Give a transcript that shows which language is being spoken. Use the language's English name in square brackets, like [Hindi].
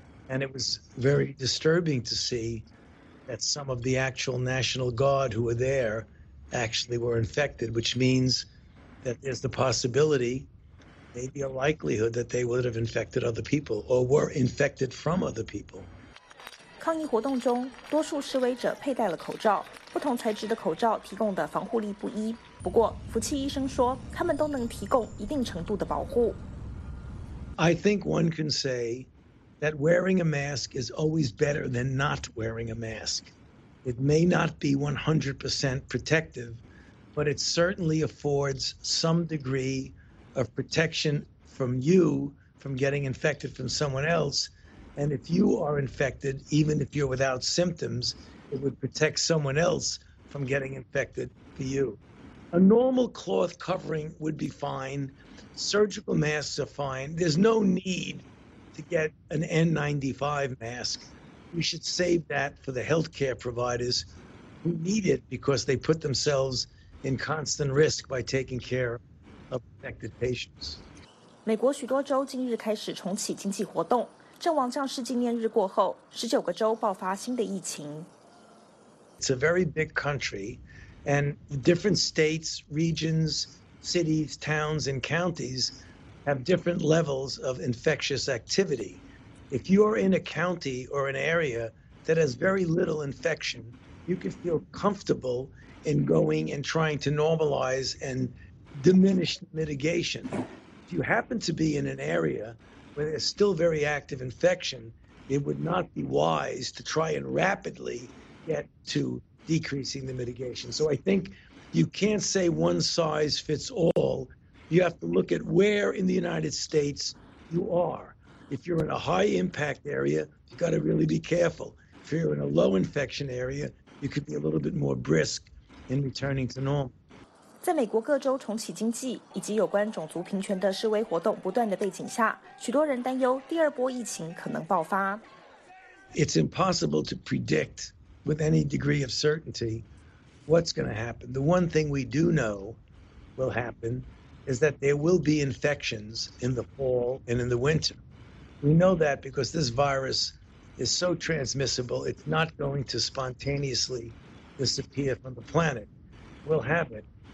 [English] And it was very disturbing to see that some of the actual National Guard who were there actually were infected, which means that there's the possibility, maybe a likelihood, that they would have infected other people or were infected from other people. [Chinese] 抗议活动中，多数示威者佩戴了口罩，不同材质的口罩提供的防护力不一。不过，福气医生说，他们都能提供一定程度的保护。 [English] I think one can say that wearing a mask is always better than not wearing a mask. It may not be 100% protective, but it certainly affords some degree of protection from you from getting infected from someone else. And if you are infected, even if you're without symptoms, it would protect someone else from getting infected for you. A normal cloth covering would be fine. Surgical masks are fine. There's no need to get an N95 mask. We should save that for the healthcare providers who need it because they put themselves in constant risk by taking care of infected patients. [Chinese] 美国许多州近日开始重启经济活动。阵亡将士纪念日过后，19个州爆发新的疫情。 [English] It's a very big country, and different states, regions, cities, towns, and counties have different levels of infectious activity. If you are in a county or an area that has very little infection, you can feel comfortable in going and trying to normalize and diminish mitigation. If you happen to be in an area where there's still very active infection, it would not be wise to try and rapidly get to decreasing the mitigation. So I think you can't say one size fits all. You have to look at where in the United States you are. If you're in a high impact area, you've got to really be careful. If you're in a low infection area, you could be a little bit more brisk in returning to normal. [Chinese] 在美国各州重启经济以及有关种族平权的示威活动不断的背景下，许多人担忧第二波疫情可能爆发。 [English] It's impossible to predict with any degree of certainty what's going to happen. The one thing we do know will happen is that there will be infections in the fall and in the winter. We know that because this virus is so transmissible, it's not going to spontaneously disappear from the planet. We'll have it.